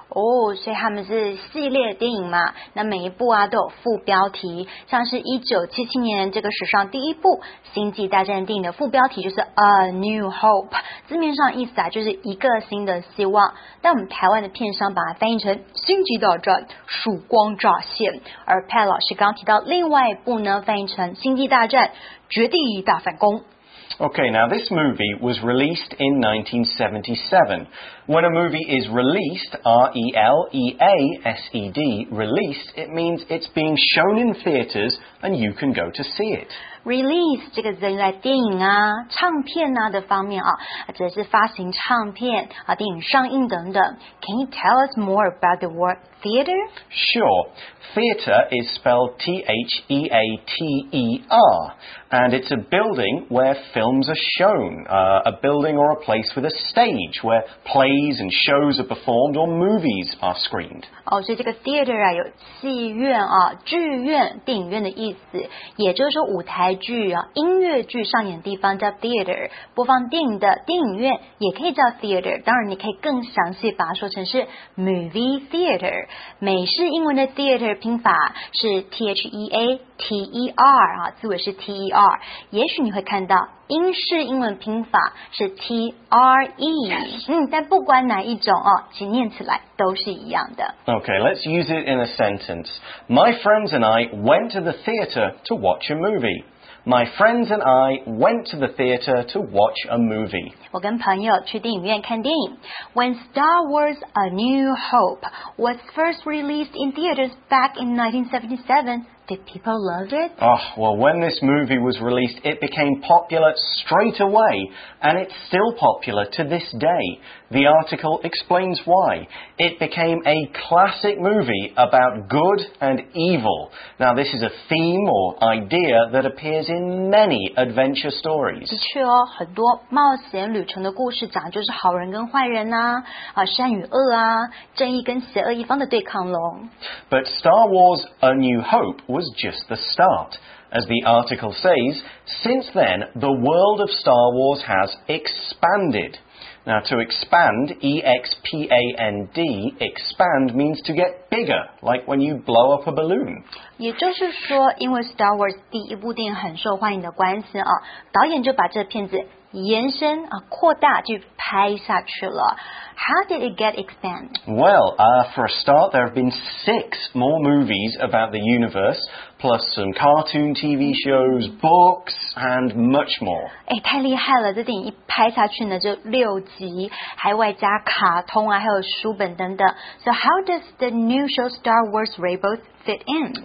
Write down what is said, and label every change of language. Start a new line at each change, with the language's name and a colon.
Chinese: 哦，所以他们是系列电影嘛，那每一部啊都有副标题，像是1977年这个史上第一部《星际大战》电影的副标题就是 A New Hope， 字面上意思啊就是一个新的希望，但我们台湾的片商把它翻译成《星际大战：曙光乍现》，而 Pat 老师刚提到另外一部呢翻译成《星际大战：绝地大反攻》。
English: Okay, now this movie was released in 1977. When a movie is released, R-E-L-E-A-S-E-D, released, it means it's being shown in theaters and you can go to see it.
Chinese: release 这个字用在电影啊、唱片啊的方面啊，指的是发行唱片啊、电影上映等等。
English: Can you tell us more about the word theater? Sure. Theater is spelled T-H-E-A-T-E-R, and it's a building where films are shown,、a building or a place with a stage where plays and shows are performed or movies are screened.
Chinese: 哦，所以这个 theater 啊，有戏院啊、剧院、电影院的意思，也就是说舞台剧啊、音乐剧上演的地方叫 theater， 播放电影的电影院也可以叫 theater。当然，你可以更详细把它说成是 movie theater。美式英文的 theater 拼法是 T-H-E-A-T-E-R 啊，字尾是 T-E-R。也许你会看到英式英文拼法是 T-R-E、
English: yes.
Chinese: 但不管哪一种哦，其念起来都是一样的。
English: Okay, let's use it in a sentence. My friends and I went to the theater to watch a movie. My friends and I went to the theater to watch a movie.
Chinese: 我跟朋友去电影院看电影。
English: When Star Wars A New Hope was first released in theaters back in 1977, did people love it? Oh, well, when this movie was released, it became popular straight away, and it's still popular to this day. The article explains why. It became a classic movie about good and evil. Now, this is a theme or idea that appears in many adventure stories.
Chinese: 的确哦，很多冒险旅程的故事讲就是好人跟坏人啊，啊，善与恶啊，正义跟邪恶一方的对抗咯。
English: But Star Wars A New Hope was just the start. As the article says, since then, the world of Star Wars has expanded. Now, to expand, E-X-P-A-N-D, expand means to get bigger, like when you blow up a balloon.
Chinese: 也就是说，因为 Star Wars 第一部电影很受欢迎的关系啊，导演就把这片子延伸啊，扩大去拍下去了。
English: How did it get expanded? Well, for a start, there have been 6 more movies about the universe, plus some cartoon TV shows, books, and much more.
Chinese: 哎，太厉害了！这电影一拍下去呢，就六集，还外加卡通啊，还有书本等等。
English: So how does the new show Star Wars Rebels fit in?